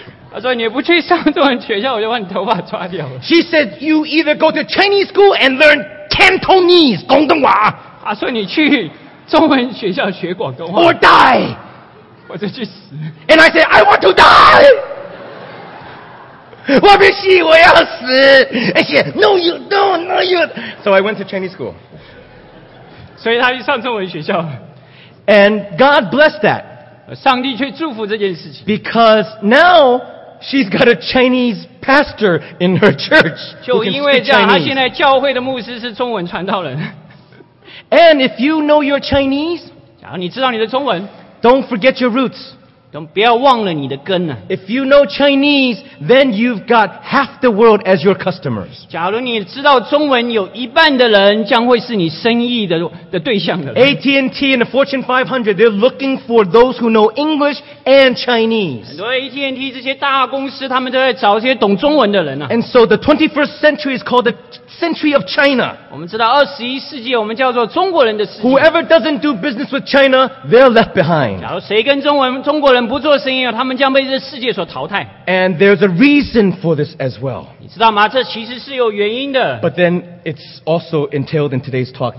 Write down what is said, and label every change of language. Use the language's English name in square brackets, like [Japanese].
[Chinese] 她说你不去上中文学校，我就把你头发抓掉了。 [English] She said, "You either go to Chinese school and learn Cantonese, 广东话。 [Chinese] 啊、所以你去中文学校学广东话 [English] or die [Chinese] 或者去死 [English] and I said I want to die [Chinese] 我不信我要死 [English] and she said no you don't no you so I went to Chinese school [Chinese] 所以他去上中文学校 [English] and God blessed that [Chinese] 上帝却祝福这件事情 [English] because now she's got a Chinese pastor in her church [Chinese] 就因为这样他现在教会的牧师是中文传道人 [English] And if you know your Chinese, [Chinese] 假如你知道你的中文 [English] don't forget your roots. [Chinese] 不要忘了你的根啊。 [English] If you know Chinese, then you've got half the world as your customers. [Chinese] 假如你知道中文，有一半的人将会是你生意的对象的人。 [English] AT&T and the Fortune 500, they're looking for those who know English and Chinese. [Chinese] 很多 AT&T 这些大公司，他们都在找这些懂中文的人啊。 [English] And so the 21st century is called the Century of China. [Chinese] 我们知道二十一世纪，我们叫做中国人的世纪。 [English] Whoever doesn't do business with China, they're left behind. [Chinese] 假如谁跟中国人不做生意，他们将被这世界所淘汰。 [English] And there's a reason for this as well. [Chinese] 你知道吗？这其实是有原因的。 [English] But then it's also entailed in today's talk.